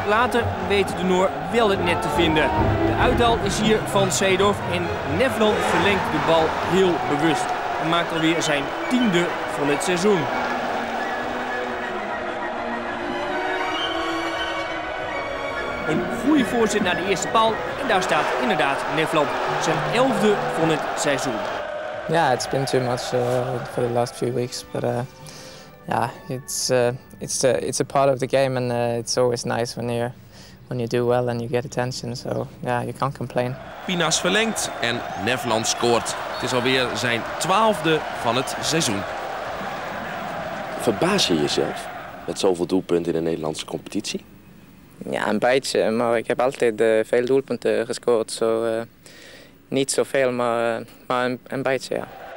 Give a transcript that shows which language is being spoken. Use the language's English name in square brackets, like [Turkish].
[Dutch] Later weet de Noor wel het net te vinden. De uitdal is hier van Seedorf en Nevland verlengt de bal heel bewust. Maakt alweer zijn 10e van het seizoen. Een goede voorzet naar de eerste paal en daar staat inderdaad Nevland, zijn 11e van het seizoen. [English] Ja, yeah, it's been too much for the last few weeks, but Ja, it's a part of the game and it's always nice when you do well and you get attention. So yeah, you can't complain. [Dutch] Pinas verlengt en Nevland scoort. Het is alweer zijn 12e van het seizoen. Verbaas je jezelf met zoveel doelpunten in de Nederlandse competitie? Ja, een beetje, maar ik heb altijd veel doelpunten gescoord. So, niet zoveel, maar een beetje, ja.